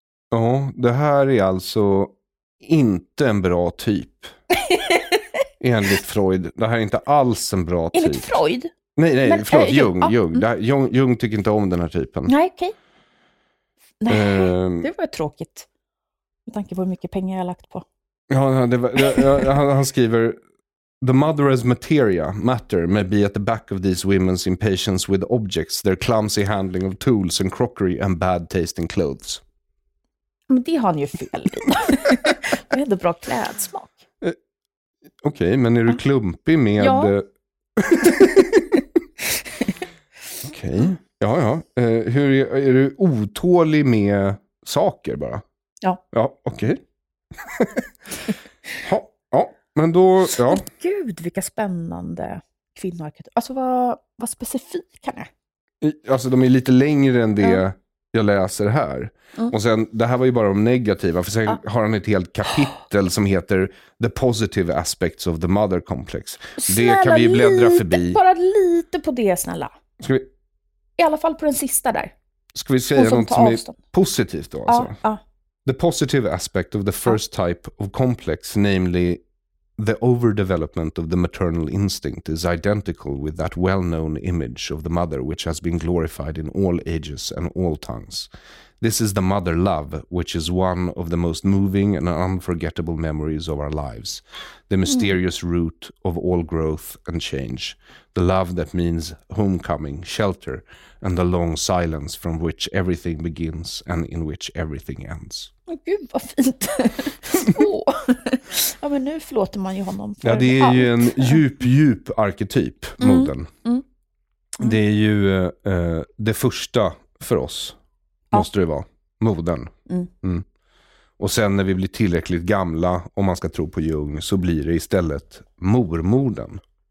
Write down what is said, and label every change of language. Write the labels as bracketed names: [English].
[Swedish] Ja, det här är alltså inte en bra typ. Enligt Freud. Det här är inte alls en bra enligt typ. Enligt Freud? Nej, men, förlåt. Jung. Det här, Jung tycker inte om den här typen. Nej, okej. Det var ju tråkigt. Med tanke på hur mycket pengar jag har lagt på. Ja, han skriver [English] the mother as materia, matter may be at the back of these women's impatience with objects, their clumsy handling of tools and crockery and bad taste in clothes. [Swedish] Men det har han ju fel. Det är ändå bra klädsmak. Okej, okay, men är du klumpig med... Ja. Okej. Okay. Ja. Hur är du otålig med saker bara? Ja. Ja, okej. Okay. Ja, men då ja. Gud, vilka spännande kvinnoarketyper. Alltså vad specifik kan jag? Alltså de är lite längre än det jag läser här. Mm. Och sen, det här var ju bara de negativa, för sen har han ett helt kapitel som heter The Positive Aspects of the Mother Complex. Snälla, det kan vi ju bläddra lite, förbi. Bara lite på det, snälla. Ska vi... I alla fall på den sista där. Ska vi säga något som är positivt då? Alltså? Ja, ja. [English] The positive aspect of the first type of complex, namely the overdevelopment of the maternal instinct, is identical with that well-known image of the mother which has been glorified in all ages and all tongues. This is the mother love, which is one of the most moving and unforgettable memories of our lives, the mysterious root of all growth and change, the love that means homecoming, shelter, and the long silence from which everything begins and in which everything ends. [Swedish] Oh, gud, vad fint. Oh. Ja, men nu förlåter man ju honom för ja, det är ju en djup, djup arketyp, modern. Det är ju det första för oss, måste det vara, modern. Och sen när vi blir tillräckligt gamla, om man ska tro på Jung, så blir det istället mormodern.